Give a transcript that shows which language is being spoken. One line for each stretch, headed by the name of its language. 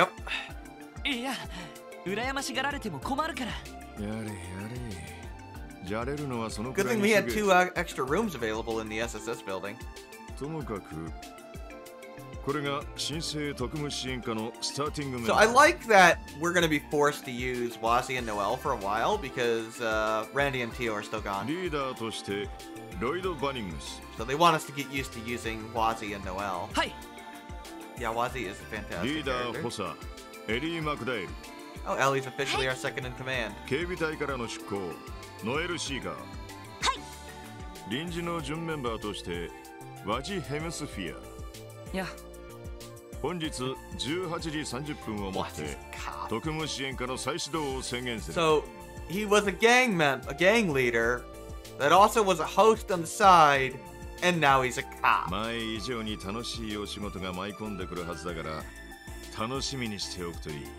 English: Yep.
Japanese: いや、羨ましがられても困るから。やれやれ。じゃれるのはそのくらいに。
English: Good thing we had two extra rooms available in the SSS building.
Japanese: ともかくこれが新生特務支援課のスターティングメンバー。
English: So I like that we're going to be forced to use Wazzy and Noel for a while because Randy and Tio are still gone.
Japanese: リーダーとしてロイド・バニングス。
English: So they want us to get used to using Wazzy and Noel.
Japanese: はい。
English: Yeah, Wazzy is a fantastic character.
Japanese: リーダー補佐エリー・マクダイル。
English: Oh, Ellie's officially our second in command.
Japanese: 警備隊からの出向ノエル・シーガー。はい。臨時の準メンバーとしてワジヘムスフィア。いや。本日18時30分をもって特務支援課の再始動を宣言する。
English: So he was a gang member, a gang leader, that also was a host on the side, and now he's a cop.
Japanese: 前以上に楽しいお仕事が舞い込んでくるはずだから、楽しみにしておくといい。